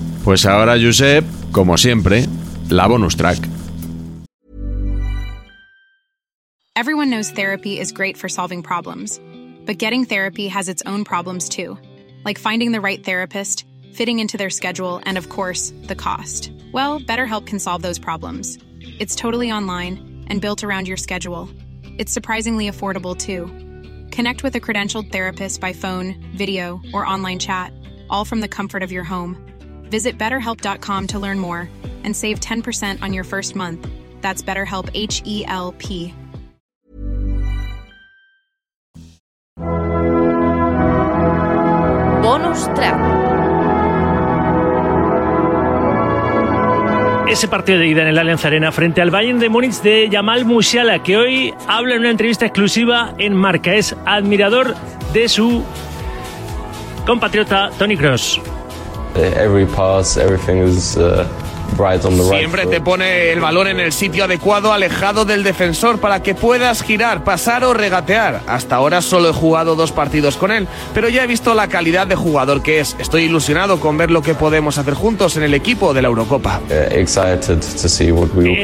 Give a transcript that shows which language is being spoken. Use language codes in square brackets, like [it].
[es] Pues ahora, Josep, como siempre, la bonus track. [en] Everyone knows therapy is great for solving problems, but getting therapy has its own problems too, like finding the right therapist, fitting into their schedule, and of course, the cost. Well, BetterHelp can solve those problems. It's totally online and built around your schedule. It's surprisingly affordable too. Connect with a credentialed therapist by phone, video, or online chat, all from the comfort of your home. Visit betterhelp.com to learn more and save 10% on your first month. That's BetterHelp, H-E-L-P. Bonus Track. [es] Ese partido de ida en el Allianz Arena frente al Bayern de Múnich de Jamal Musiala, que hoy habla en una entrevista exclusiva en Marca. Es admirador de su compatriota Toni Kroos. [en] Every pass, everything is right on the right. [es] Siempre te pone el balón en el sitio adecuado, alejado del defensor, para que puedas girar, pasar o regatear. Hasta ahora solo he jugado dos partidos con él, pero ya he visto la calidad de jugador que es. Estoy ilusionado con ver lo que podemos hacer juntos en el equipo de la Eurocopa. [en] Excited to see what we